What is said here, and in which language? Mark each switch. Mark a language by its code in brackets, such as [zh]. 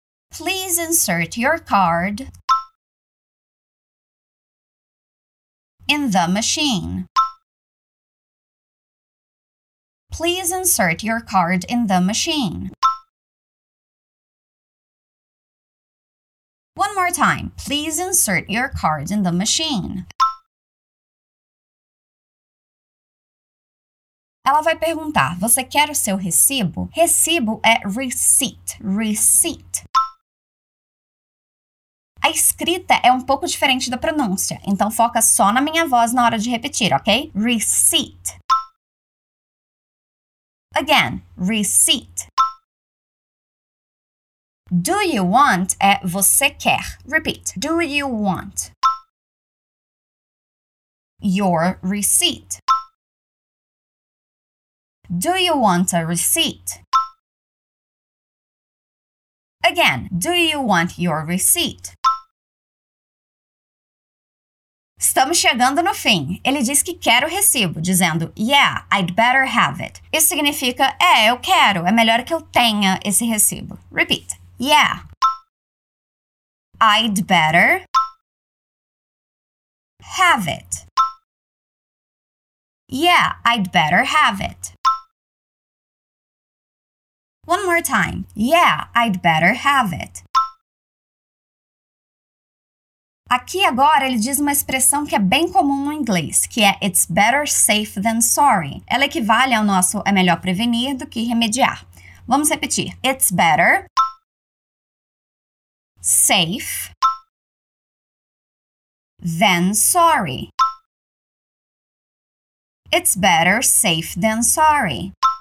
[en] Please insert your card in the machine. Please insert your card in the machine. One more time. Please insert your card in the machine. [pt] Ela vai perguntar, você quer o seu recibo? Recibo é receipt. [en] Receipt. [pt] A escrita é um pouco diferente da pronúncia, então foca só na minha voz na hora de repetir, ok? [en] Receipt. Again, receipt. Do you want [pt] é você quer. [en] Repeat. Do you want your receipt? Do you want a receipt? Again, do you want your receipt? [pt] Estamos chegando no fim. Ele diz que quer o recibo, dizendo, [en] yeah, I'd better have it. [pt] Isso significa, é, eu quero, é melhor que eu tenha esse recibo. [en] Repeat. Yeah. I'd better have it. Yeah, I'd better have it. One more time. Yeah, I'd better have it. [pt] Aqui agora ele diz uma expressão que é bem comum no inglês, que é [en] it's better safe than sorry. [pt] Ela equivale ao nosso é melhor prevenir do que remediar. Vamos repetir. [en] It's better safe than sorry. It's better safe than sorry.